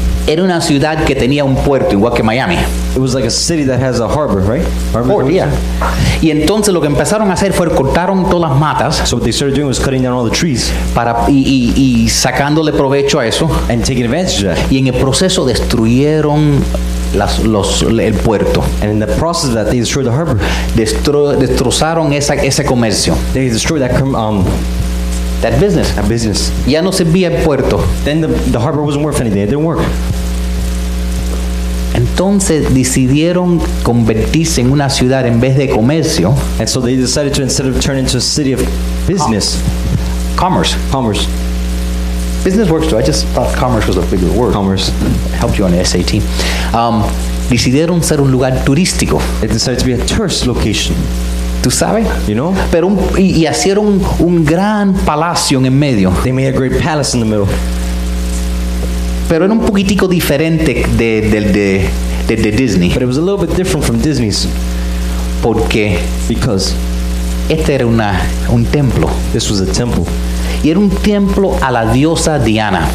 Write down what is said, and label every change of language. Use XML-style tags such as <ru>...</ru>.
<es>Era una ciudad que tenía un puerto, igual que Miami.</es> <en>It was like a city that has a harbor, right? Harbor, port, yeah.</en> <es>Y entonces lo que empezaron a hacer fue cortaron todas las matas.</es> <en>So what they started doing was cutting down all the trees.</en> <es>Para, y sacándole provecho a eso.</es> <en>And taking advantage of that.</en> <es>Y en el proceso destruyeron el puerto.</es> <en>And in the process of that, they destroyed the harbor.</en> <es>Destrozaron ese comercio.</es> <en>They destroyed that That business. That business.</en> <es>Ya no servía el puerto.</es> <en>Then the harbor wasn't worth anything. It didn't work.</en> <es>Entonces decidieron convertirse en una ciudad en vez de comercio.</es> <en>And so they decided to, instead of turn into a city of business. Commerce. Commerce. Business works too. I just thought commerce was a bigger word. Commerce. Helped you on the SAT.</en> <es>Decidieron ser un lugar turístico.</es> <en>They decided to be a tourist location.</en> <es>¿Tú sabes?</es> <en>You know?</en> <es>Pero y hicieron un gran palacio en el medio.</es> <en>They made a great palace in the middle.</en> <es>Pero era un poquitico diferente de Disney.</es> <en>But it was a little bit different from Disney's.</en> <es>¿Por qué?</es> <en>Because.</en> <es>Este era un templo.</es> <en>This was a temple.</en> <es>Y era un templo a la diosa Diana.</es>